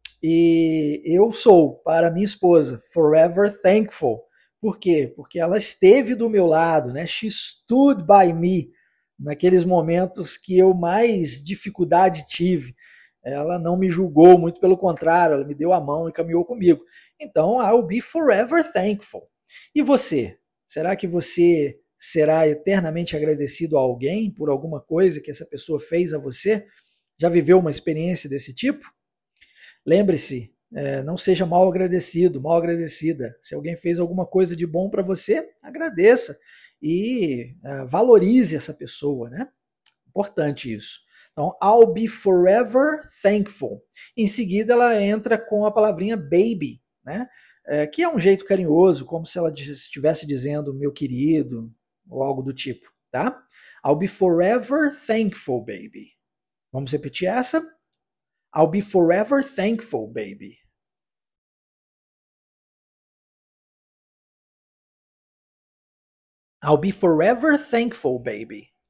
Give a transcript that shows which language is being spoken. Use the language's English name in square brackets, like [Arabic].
[Portuguese] E eu sou, para minha esposa, [English] forever thankful. [Portuguese] Por quê? Porque ela esteve do meu lado, né? [English] She stood by me [Portuguese] naqueles momentos que eu mais dificuldade tive. Ela não me julgou, muito pelo contrário, ela me deu a mão e caminhou comigo. Então, [English] I'll be forever thankful. [Portuguese] E você? Será que você será eternamente agradecido a alguém por alguma coisa que essa pessoa fez a você? Já viveu uma experiência desse tipo? Lembre-se, não seja mal agradecido, mal agradecida. Se alguém fez alguma coisa de bom para você, agradeça e valorize essa pessoa, né? Importante isso. Então, [English] I'll be forever thankful. [Portuguese] Em seguida, ela entra com a palavrinha baby, né? Que é um jeito carinhoso, como se ela estivesse dizendo meu querido ou algo do tipo, tá? [English] I'll be forever thankful, baby. [Portuguese] Vamos repetir essa? [English] I'll be forever thankful, baby. I'll be forever thankful, baby.